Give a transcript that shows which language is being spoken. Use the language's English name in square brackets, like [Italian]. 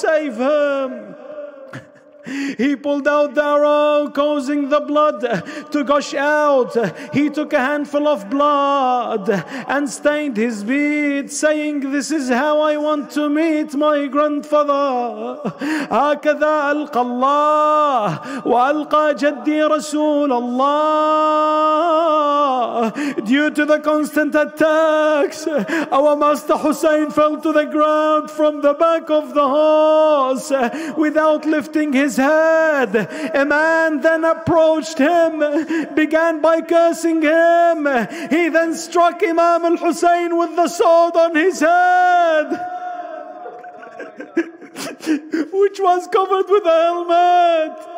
[English] Save him." He pulled out the arrow, causing the blood to gush out. He took a handful of blood and stained his beard, saying, "This is how I want to meet my grandfather." [Arabic] هكذا ألقى الله وألقى جدي رسول الله. [English] Due to the constant attacks, our master Hussein fell to the ground from the back of the horse without lifting his head. A man then approached him, began by cursing him. He then struck Imam al-Hussein with the sword on his head, which was covered with a helmet.